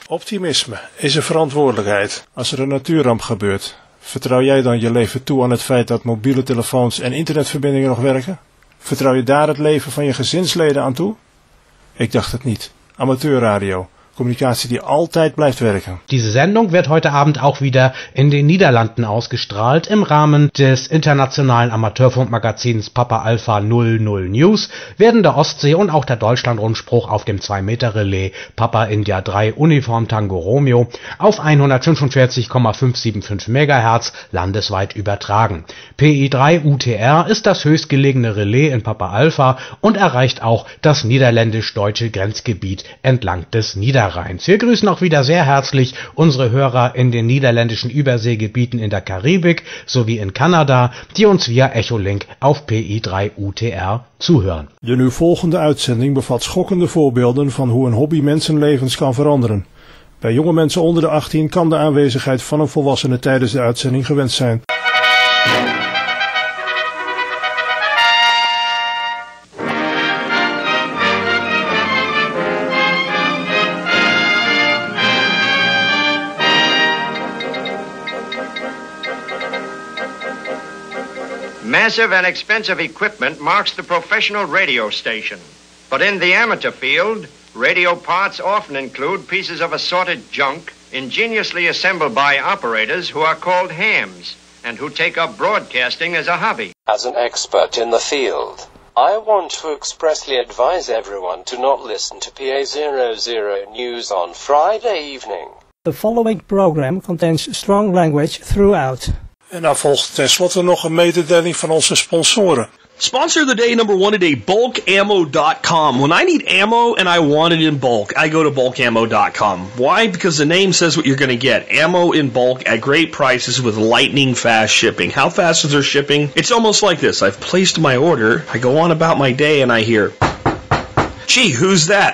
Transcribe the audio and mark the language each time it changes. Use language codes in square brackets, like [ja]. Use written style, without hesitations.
[nl] Optimisme is een verantwoordelijkheid als er een natuurramp gebeurt. Vertrouw jij dan je leven toe aan het feit dat mobiele telefoons en internetverbindingen nog werken? Vertrouw je daar het leven van je gezinsleden aan toe? Ik dacht het niet. Amateurradio. Communicatie die altijd blijft werken. [de] Diese Sendung wird heute Abend auch wieder in den Niederlanden ausgestrahlt im Rahmen des internationalen Amateurfunkmagazins Papa Alpha 00 News werden der Ostsee und auch der Deutschlandrundspruch auf dem 2 Meter Relais Papa India 3 Uniform Tango Romeo auf 145,575 MHz landesweit übertragen. PI3 UTR ist das höchstgelegene Relais in Papa Alpha und erreicht auch das niederländisch-deutsche Grenzgebiet entlang des Niederlandes. Wir grüßen auch wieder sehr herzlich unsere Hörer in den niederländischen Überseegebieten in der Karibik sowie in Kanada, die uns via Echolink auf PI3 UTR zuhören. [nl] De nu volgende uitzending bevat schokkende voorbeelden van hoe een hobby mensenlevens kan veranderen. Bij jonge mensen onder de 18 kan de aanwezigheid van een volwassene tijdens de uitzending gewenst zijn. [en] Massive and expensive equipment marks the professional radio station. But in the amateur field, radio parts often include pieces of assorted junk ingeniously assembled by operators who are called hams and who take up broadcasting as a hobby. As an expert in the field, I want to expressly advise everyone to not listen to PA00 News on Friday evening. The following program contains strong language throughout. [nl] En dan volgt tenslotte nog een mededeling van onze sponsoren. [en] Sponsor of the day number one today, bulkammo.com. When I need ammo and I want it in bulk, I go to bulkammo.com. Why? Because the name says what you're going to get. Ammo in bulk at great prices with lightning fast shipping. How fast is their shipping? It's almost like this. I've placed my order, I go on about my day and I hear, gee, who's that?